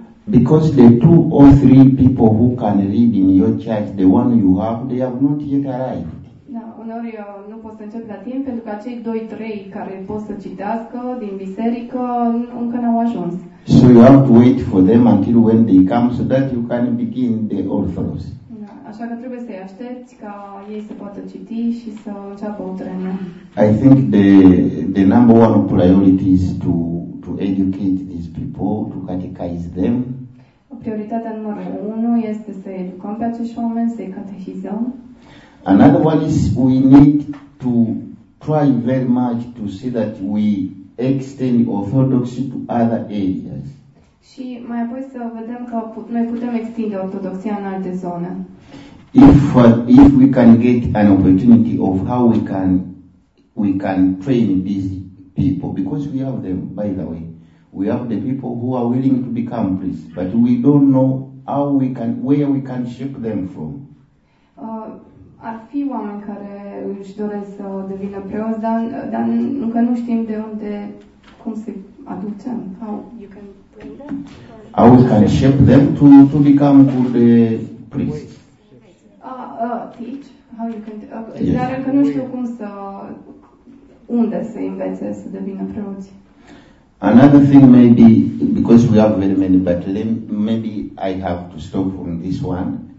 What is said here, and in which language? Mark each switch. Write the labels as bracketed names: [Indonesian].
[English] Because the two or three people who can read in your church, the one you have, they have not yet arrived. [Romanian] Uneori nu pot să încep la timp pentru că acei 2-3 care pot să citească din biserică încă n-au ajuns. [English] So you have to wait for them until when they come so that you can begin the Orthodox. [Romanian] Așa că trebuie să-i aștepți ca ei să poată citi și să înceapă utrenia. [English] I think the number one priority is to educate these people, to catechize them. [Romanian] Prioritatea numărul 1 este să educăm pe acești oameni, să-i catehizăm. [English] Another one is we need to try very much to see that we extend Orthodoxy to other areas. [Romanian] Și mai apoi să vedem că noi putem extinde Ortodoxia în alte zone. [English] If we can get an opportunity of how we can train these people, because we have them, by the way. We have the people who are willing to become priests, but we don't know where we can shape them from. [Romanian] Ar fi oameni care își doresc să devină preoți, dar încă nu știm de unde, cum se aducem. [English] How you can bring them? How we can shape them to become good priests. Teach? How you can? Yes. [Romanian] Dar încă nu știu cum să, unde să învețe să devină preoți. [English] Another thing maybe, because we have very many, but maybe I have to stop from this one.